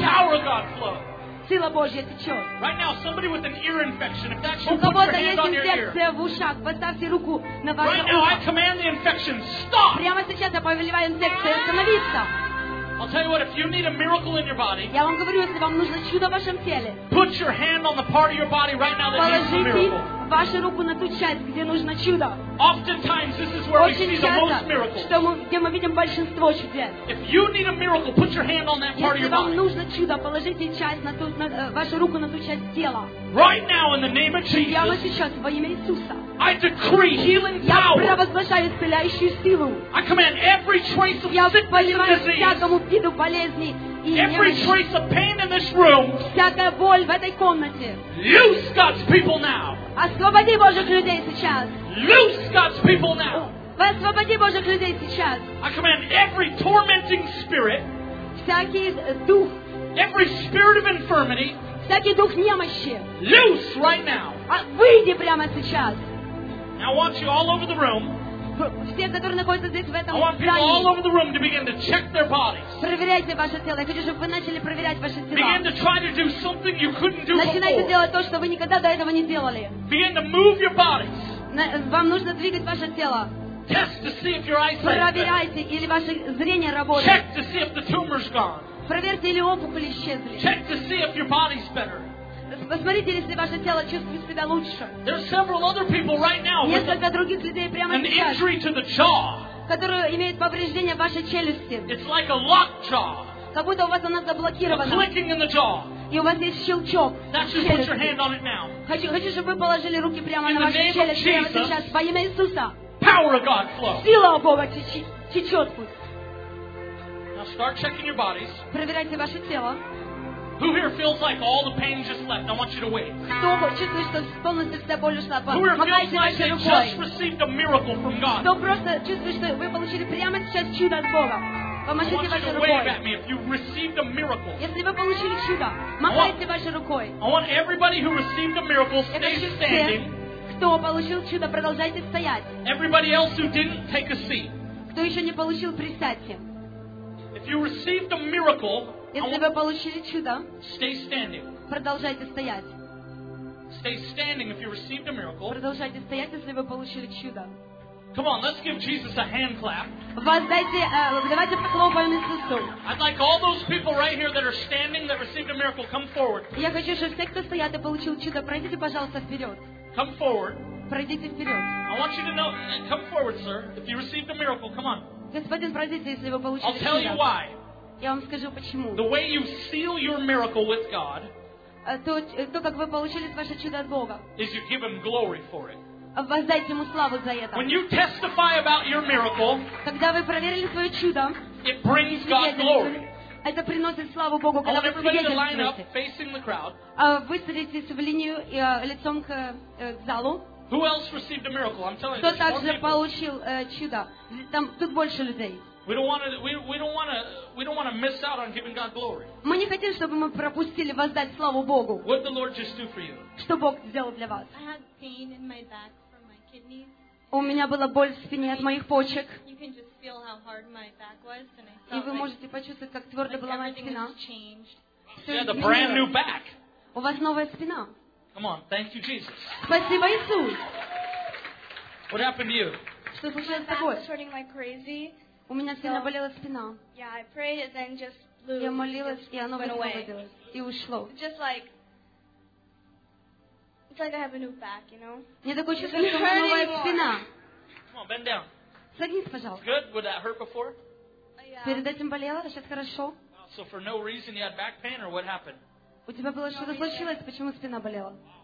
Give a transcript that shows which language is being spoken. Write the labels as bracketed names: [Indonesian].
[English] Oh, power of God flow. [Russian] Сила Божья течет. [English] Right now, somebody with an ear infection. If that's you, [Russian] у кого-то есть инфекция в ушах, поставьте руку на ваше [English] right [Russian] ухо. [English] Now, I command the infection. Stop. [Russian] Прямо сейчас я повелеваю инфекции остановиться. [English] I'll tell you what, if you need a miracle in your body, [Russian] я вам говорю, если вам нужно чудо в вашем теле, [English] put your hand on the part of your body right now that needs a miracle. [Russian] Вашу руку на ту часть, где нужно чудо. [English] Oftentimes, this is where [Russian] Очень [English] we see [Russian] часто, [English] the most miracles. [Russian] Что мы, где мы видим большинство чудес. [English] If you need a miracle, put your hand on that part [Russian] Если [English] of your body. [Russian] Если вам нужно чудо, положите часть на ту, на, вашу руку на ту часть тела. [English] Right now, in the name of Jesus. [Russian] Прямо сейчас, во имя Иисуса. [English] I decree healing power. [Russian] Я провозглашаю исцеляющую силу. [English] I command every trace of sickness and disease. Every trace of pain in this room. [Russian] Всякая боль в этой комнате. [English] Loose God's people now. [Russian] Освободи Божьих людей сейчас. [English] Loose God's people now. [Russian] Освободи Божьих людей сейчас. [English] I command every tormenting spirit. [Russian] Всякий дух. [English] Every spirit of infirmity. [Russian] Всякий дух немощи. [English] Loose right now. [Russian] Выйди прямо сейчас. [English] Now I want you all over the room. [Russian] Все, которые находятся здесь в этом здании, проверяйте ваше тело. Я хочу, чтобы вы начали проверять ваше тело. [English] Begin to try to do something you couldn't do before. [Russian] Начинайте делать то, что вы никогда до этого не делали. [English] Begin to move your bodies. [Russian] Вам нужно двигать ваше тело. [English] Test to see if your eyesight. [Russian] Проверяйте, или ваше зрение работает. [English] Check to see if the tumor's gone. [Russian] Проверьте, или опухоль исчезли. [English] Check to see if your body's better. [Russian] Посмотрите, если ваше тело чувствует себя лучше. [English] There's several other people right now with [Russian] несколько других людей прямо [English] an injury to the jaw. [Russian] Которые имеют повреждение вашей челюсти. [English] It's like a locked jaw. [Russian] Как будто у вас она заблокирована. [English] A clicking in the jaw. [Russian] И у вас есть щелчок. [English] That's just put your hand on it now. [Russian] Хочу, чтобы вы положили руки прямо [English] in [Russian] на вашу челюсть прямо сейчас. Во имя Иисуса. [English] Power of God flow. [Russian] Сила Бога течет пусть. [English] Now start checking your bodies. [Russian] Проверяйте ваше тело. [English] Who here feels like all the pain just left? I want you to wait. [Russian] Кто чувствует, что полностью вся боль ушла? [English] Who here feels like they just received a miracle from God? [Russian] Кто просто чувствует, что вы получили прямо сейчас чудо от Бога? Помашите вашей рукой. [English] I want you to wave at me if you received a miracle. [Russian] Если вы получили чудо, махайте вашей рукой. [English] I want everybody who received a miracle stay standing. [Russian] Кто получил чудо, продолжайте стоять. [English] Everybody else who didn't, take a seat. [Russian] Кто еще не получил, присядьте. [English] If you received a miracle. [Russian] Если вы получили чудо, [English] stay standing. [Russian] Продолжайте стоять. [English] Stay standing if you received a miracle. [Russian] Продолжайте стоять, если вы получили чудо. [English] Come on, let's give Jesus a hand clap. [Russian] Давайте похлопаем Иисусу. [English] I'd like all those people right here that are standing that received a miracle, come forward. [Russian] Я хочу, чтобы все, кто стоят и получил чудо, пройдите, пожалуйста, вперед. [English] Come forward. [Russian] Пройдите вперед. [English] I want you to know, come forward, sir, if you received a miracle, come on. [Russian] Господин, пройдите, если вы получили чудо. [English] I'll tell you why. [Russian] Я вам скажу почему. [English] The way you seal your miracle with God. [Russian] то, как вы получили ваше чудо от Бога. [English] Is you give him glory for it. [Russian] Воздайте ему славу за это. [English] When you testify about your miracle, [Russian] когда вы проверили свое чудо, [English] it brings God glory. [Russian] Это приносит славу Богу, когда вы свидетельствуете. Выставитесь в линию лицом к залу. [English] Who else received a miracle? I'm telling you. [Russian] Кто также получил чудо? Там тут больше людей. [English] We don't want to miss out on giving God glory. [Russian] Мы не хотим, чтобы мы пропустили воздать славу Богу. [English] What did the Lord just do for you? [Russian] Что Бог сделал для вас? [English] I had pain in my back from my kidneys. [Russian] У меня была боль в спине от моих почек. [English] You can just feel how hard my back was, and I felt. [Russian] И вы можете почувствовать, как твёрда была моя спина. [English] Yeah, a brand new back. [Russian] У вас новая спина. [English] Come on, thank you, Jesus. [Russian] Спасибо, Иисус. [English] What happened to you? [Russian] Что случилось с тобой? [English] Back hurting like crazy. [Russian] У меня сильно болела спина. [English] Yeah, I prayed and then just blew. [Russian] Я молилась, и оно высвободилось, и ушло. [English] Just like. It's like I have a new back, you know. [Russian] Мне такое чувство, что у меня новая спина. [English] Come on, bend down. [Russian] Согнись, пожалуйста. [English] Good? Would that hurt before? Yeah. [Russian] Перед этим болела, сейчас хорошо. [English] So for no reason you had back pain, or what happened? [Russian] У тебя было что-то случилось, почему спина болела?